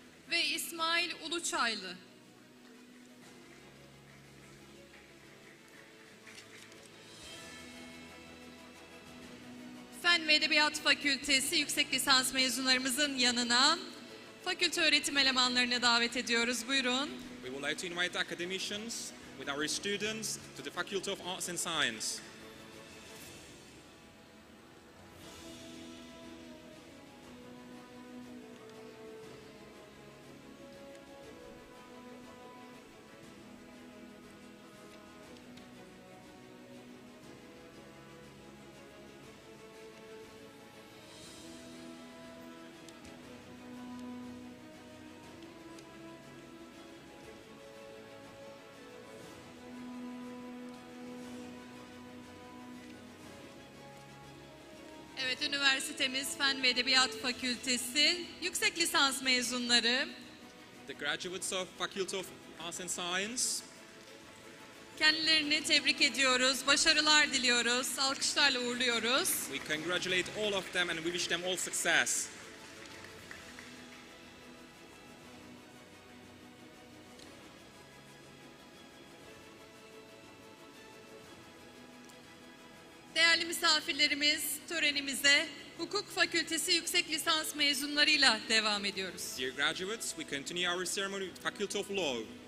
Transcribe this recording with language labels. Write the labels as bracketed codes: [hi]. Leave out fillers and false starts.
[tr] Ve İsmail Uluçaylı. Fen ve Edebiyat Fakültesi yüksek lisans mezunlarımızın yanına fakülte öğretim elemanlarını davet ediyoruz. Buyurun. [en] We would like to invite academicians with our students to the Faculty of Arts and Science. [tr] Evet, üniversitemiz Fen ve Edebiyat Fakültesi yüksek lisans mezunları. [en] The graduates of Faculty of Arts and Science. [tr] Kendilerini tebrik ediyoruz, başarılar diliyoruz, alkışlarla uğurluyoruz. [en] We congratulate all of them and we wish them all success. [tr] Misafirlerimiz, törenimize Hukuk Fakültesi yüksek lisans mezunlarıyla devam ediyoruz. [en] Dear graduates, we continue our ceremony with Faculty of Law.